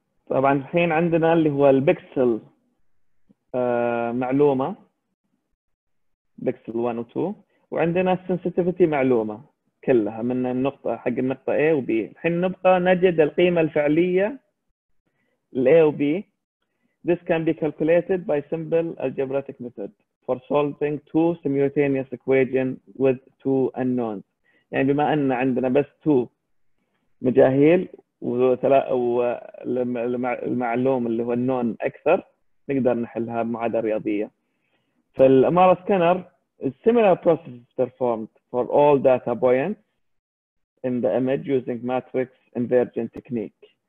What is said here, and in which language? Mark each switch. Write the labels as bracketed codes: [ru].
[ar] طبعا الحين عندنا اللي هو البكسل معلومة بكسل 1 و 2 وعندنا السنسيتيفيتي معلومة كلها من النقطة حق النقطة A و B. الحين نبقى نجد القيمة الفعلية ل A و B. [en] This can be calculated by simple algebraic method for solving two simultaneous equations with two unknowns. [ar] يعني بما أن عندنا بس two مجاهيل والمعلوم اللي هو النون أكثر نقدر نحلها بمعادلة رياضية. فالأمارة سكانر [en] similar process is performed for all data points in the image using matrix inversion technique.